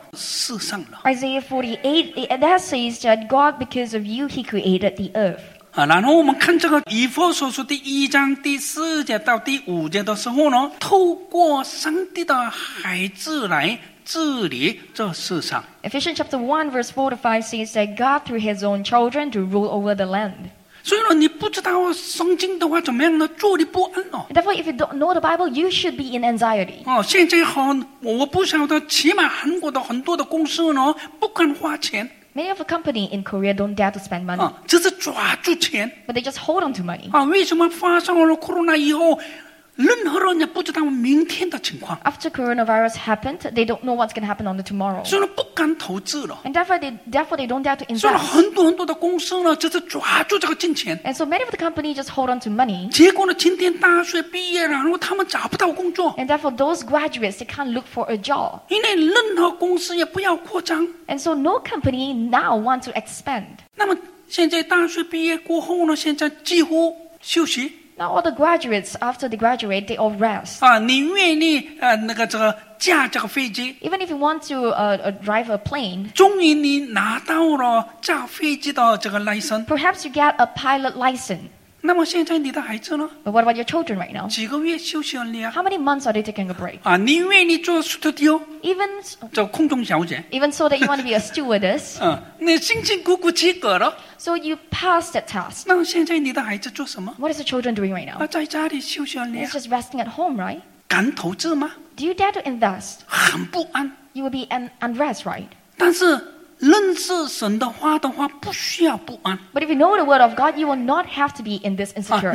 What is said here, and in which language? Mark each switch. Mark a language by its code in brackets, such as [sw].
[zh] 以赛亚书第48章第18节那么清楚地告诉我们说，为了你，为了人，创造了世上了。Isaiah [en] 48, that says that God, because of you, He created the earth. [zh] 然后我们看这个以弗所书第1章第4节到第5节的时候呢，透过上帝的孩子来治理这世上。Ephesians [en] chapter 1, verse 4 to 5 says that God, through His own children, to rule over the land. [zh] 所以你不知道圣经的话怎么样呢？坐立不安呢？ [en] Therefore, if you don't know the Bible, you should be in anxiety. [zh] 现在我不晓得，起码韩国的很多的公司呢，不敢花钱。 [en] Many of the company in Korea don't dare to spend money. [zh] 只是抓住钱。 [en] But they just hold on to money. [zh] 为什么发生了corona以后？任何人也不知道明天的情况。 [en] After coronavirus happened, they don't know what's going to happen on the tomorrow. [zh] 所以不敢投资了。 [en] And therefore they don't dare to invest. [zh] 所以很多很多的公司呢，就是抓住这个金钱。 [en] And so many of the companies just hold on to money. [zh] 结果呢，今天大学毕业了，然后他们找不到工作。 [en] And therefore those graduates, they can't look for a job. [zh] 因为任何公司也不要扩张。 [en] And so no company now wants to expand. [zh] 那么现在大学毕业过后呢，现在几乎休息。 [en] Now all the graduates, after they graduate, they all rest. [zh] 你愿意驾这个飞机? [en] Even if you want to drive a plane, [zh] 终于你拿到了驾飞机的这个 license. [en] Perhaps you get a pilot license. [zh] 那么现在你的孩子呢? [en] But what about your children right now? [zh] 几个月休息了你啊? [en] How many months are they taking a break? [zh] 你愿意做 studio? [en] Even, [zh] 做空中小姐? [en] Even so that you want to be a stewardess? [zh] 你辛辛苦苦及格了? [en] So you passed that task. [zh] 那现在你的孩子做什么? [en] What is the children doing right now? [zh] 在家里休息了你啊? [en] It's just resting at home, right? [zh] 敢投资吗? [en] Do you dare to invest? [zh] 很不安。 [en] You will be an unrest, right? [zh] 但是 认识神的话的话，不需要不安。 [en] But if you know the word of God, you will not have to be in this insecurity.